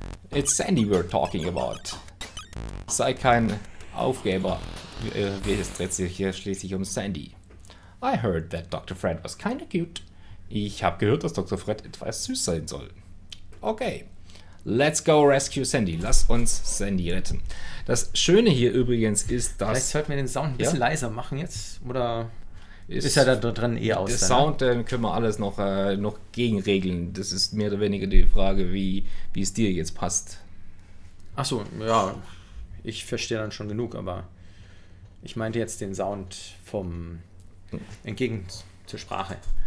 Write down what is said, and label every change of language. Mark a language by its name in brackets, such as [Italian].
[English] It's Sandy we're talking about. [German] Sei kein Aufgeber. Es dreht sich hier schließlich um Sandy. [English] I heard that Dr. Fred was kinda cute. [German] Ich habe gehört, dass Dr. Fred etwas süß sein soll. [English] Okay, let's go rescue Sandy. [German] Lass uns Sandy retten. Das Schöne hier übrigens ist, dass... Vielleicht sollten wir den Sound ein bisschen leiser machen jetzt. Oder ist er da drin eher aus? Der Sound, den können wir alles noch gegenregeln. Das ist mehr oder weniger die Frage, wie es dir jetzt passt. Ach so, ja, ich verstehe dann schon genug. Aber ich meinte jetzt den Sound vom entgegen zur Sprache.